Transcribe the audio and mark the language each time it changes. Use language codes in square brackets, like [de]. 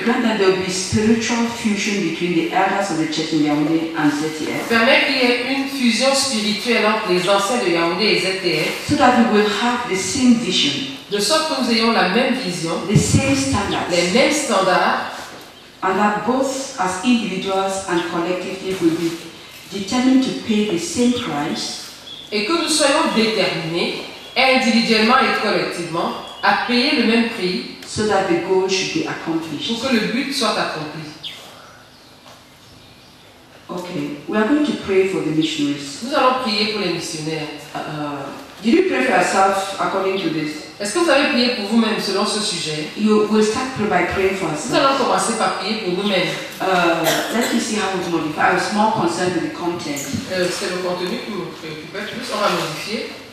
[en] Grant that there will be spiritual fusion between the elders of the church in Yaoundé and ZTF. [fr] Permet qu'il y ait une fusion spirituelle entre les anciens de Yaoundé et ZTF. [en] So that we will have the same vision. [fr] De sorte que nous ayons la même vision. [en] The same standards. [fr] Les mêmes standards. [en] And that both as individuals and collectively will be determined to pay the same price. [fr] Et que nous soyons déterminés, individuellement et collectivement, à payer le même prix. [en] So that the goal should be accomplished. [fr] Pour que le but soit accompli. [en] Okay, we are going to pray for the missionaries. [fr] Nous allons prier pour les missionnaires. [en] Did you pray for yourself according to this? [fr] Est-ce que vous avez prié pour vous-même selon ce sujet? [en] You will start by praying for us. [fr] Nous allons commencer par prier pour nous-mêmes. [en] Let me see how we modify. I was more concerned with the content. [fr] C'est le contenu qui me préoccupait plus. On va modifier.